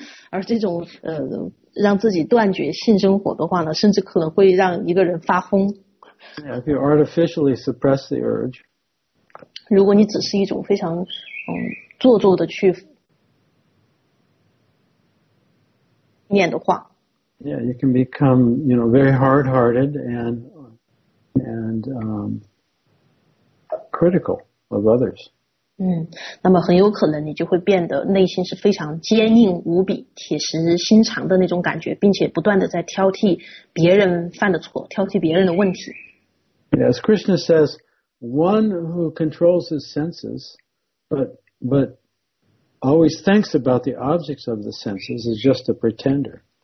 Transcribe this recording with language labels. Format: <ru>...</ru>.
<zh>而这种让自己断绝性生活的话呢，甚至可能会让一个人发疯。</zh> <en>Yeah, if you artificially suppress the urge.</en> <zh>如果你只是一种非常做作的去念的话。</zh> <en>Yeah, you can become, you know, very hard-hearted and critical of others.</en> <zh>那么很有可能你就会变得内心是非常坚硬无比、铁石心肠的那种感觉，并且不断的在挑剔别人犯的错、挑剔别人的问题。</zh> <en>Yes, Krishna says, one who controls his senses, but always thinks about the objects of the senses is just a pretender.</en>